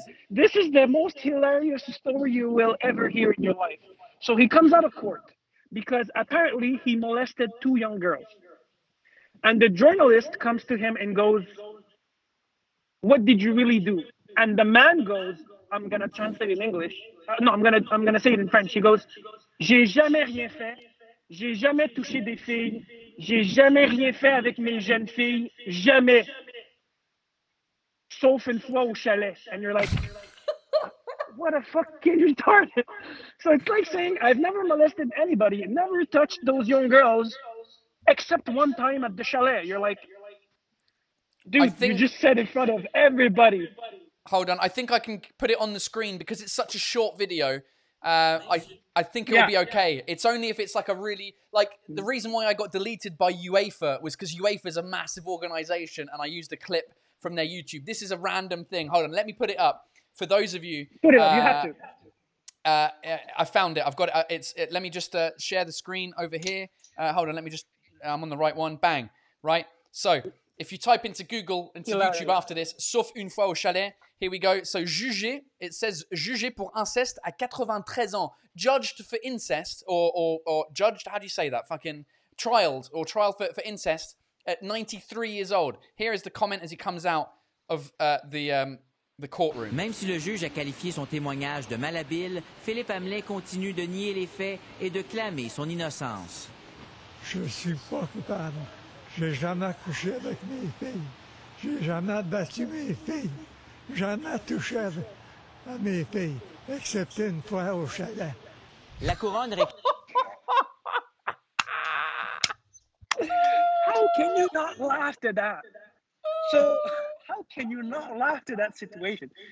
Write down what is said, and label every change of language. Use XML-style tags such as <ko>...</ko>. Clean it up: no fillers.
<en>This is the most hilarious story you will ever hear in your life. So he comes out of court because apparently he molested two young girls, and the journalist comes to him and goes, "What did you really do?" And the man goes, I'm going to translate in English. I'm going to say it in French.</en> <fr>He goes, "J'ai jamais rien fait. J'ai jamais touché des filles. J'ai jamais rien fait avec mes jeunes filles. Jamais. Sauf une fois au chalet."</fr> <en>And you're like, what a fucking retarded. So it's like saying, I've never molested anybody, never touched those young girls, except one time at the chalet. You're like, dude, you just said in front of everybody. Hold on, I think I can put it on the screen because it's such a short video. I think it'll be okay. Yeah. It's only if it's like a really, like the reason why I got deleted by UEFA was because UEFA is a massive organization and I used a clip from their YouTube. This is a random thing. Hold on, let me put it up for those of you. Put it up, you have to. I found it, I've got it. Let me just share the screen over here. Hold on, let me just, I'm on the right one. Bang, right? So. If you type into Google, into hilarious. YouTube after this,</en> <fr>sauf une fois au chalet,</fr> <en>here we go. So jugé, it says</en> <fr>jugé pour incest à 93 ans.</fr> <en>Judged for incest or judged, how do you say that? Fucking trialed or trial for incest at 93 years old. Here is the comment as he comes out of the courtroom.</en> <fr>Même si le juge a qualifié son témoignage de malhabile, Philippe Hamelin continue de nier les faits et de clamer son innocence. Je suis pas coupable. J'ai jamais couché avec mes filles. J'ai jamais battu mes filles. Jamais touché à mes filles. Excepté une fois au chalet. La couronne...</fr> <en>How can you not laugh to that? So, how can you not laugh to that situation?</en>